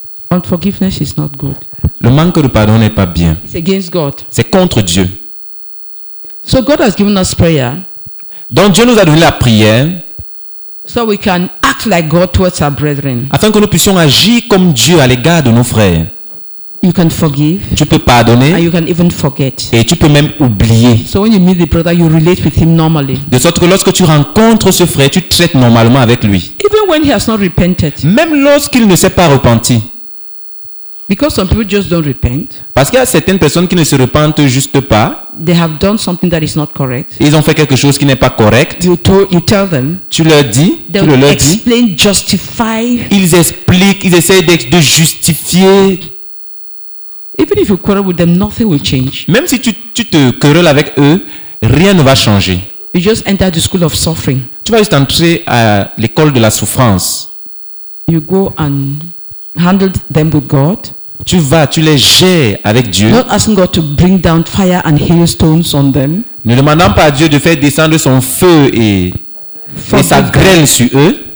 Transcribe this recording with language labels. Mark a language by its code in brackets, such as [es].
[en] Unforgiveness is not good. [fr] Le manque de pardon n'est pas bien. [en] It's against God. [fr] C'est contre Dieu. [en] So God has given us prayer. [fr] Donc Dieu nous a donné la prière. [en] So we can act like God towards our brethren. [fr] Afin que nous puissions agir comme Dieu à l'égard de nos frères. [en] You can forgive. [fr] Tu peux pardonner. [en] And you can even forget. [fr] Et tu peux même oublier. [en] So when you meet the brother, you relate with him normally. [fr] De sorte que lorsque tu rencontres ce frère, tu traites normalement avec lui. [en] Even when he has not repented. [fr] Même lorsqu'il ne s'est pas repenti. [en] Because some people just don't repent. [fr] Parce qu'il y a certaines personnes qui ne se repentent juste pas. [en] They have done something that is not correct. [fr] Ils ont fait quelque chose qui n'est pas correct. [en] You tell them. [fr] Tu leur dis. [en] Justify. [fr] Ils expliquent. Ils essaient de justifier. [en] Even if you quarrel with them, nothing will change. [fr] Même si tu te querelles avec eux, rien ne va changer. [en] You just enter the school of suffering. [fr] Tu vas juste entrer à l'école de la souffrance. [en] You go and handle them with God. [fr] Tu vas, tu les gères avec Dieu. [en] Not asking God to bring down fire and hailstones on them. [fr] Ne demandant pas à Dieu de faire descendre son feu et sa grêle sur eux.